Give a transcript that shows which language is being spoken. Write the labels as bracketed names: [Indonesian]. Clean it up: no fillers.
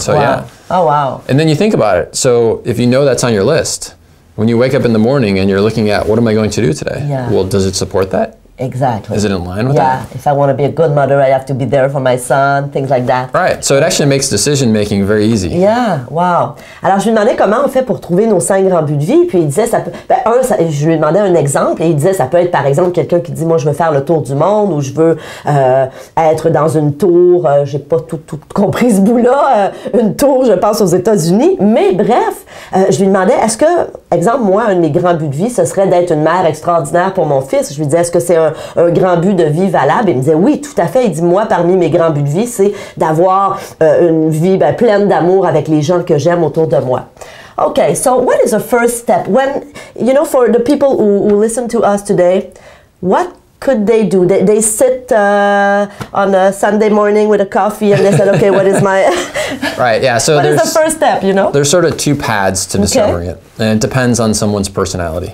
[English] So, wow. Yeah. Oh, wow. And then you think about it. So if you know that's on your list, when you wake up in the morning and you're looking at, what am I going to do today? Yeah. Well, does it support that? Exactly. Is it in line with that? Yeah, if I want to be a good mother, I have to be there for my son, things like that. Right, so it actually makes decision-making very easy. Yeah, wow. [French] Alors, je lui demandais comment on fait pour trouver nos 5 grands buts de vie, puis il disait, ça peut, ben, un, ça, je lui demandais un exemple, et il disait, ça peut être, par exemple, quelqu'un qui dit, moi, je veux faire le tour du monde, ou je veux être dans une tour, j'ai pas tout compris ce bout-là, une tour, je pense, aux États-Unis, mais bref, je lui demandais, est-ce que, exemple, moi, un de mes grands buts de vie, ce serait d'être une mère extraordinaire pour mon fils. Je lui disais, est-ce que c'est un grand but de vie valable? Il me disait, oui, tout à fait. Il dit, moi, parmi mes grands buts de vie, c'est d'avoir une vie ben, pleine d'amour avec les gens que j'aime autour de moi. [English] OK, so what is the first step? When, you know, for the people who listen to us today, what could they do? They sit on a Sunday morning with a coffee and they said, okay, what is my... Right, yeah. So what is the first step, you know? There's sort of two paths to discovering it. And it depends on someone's personality.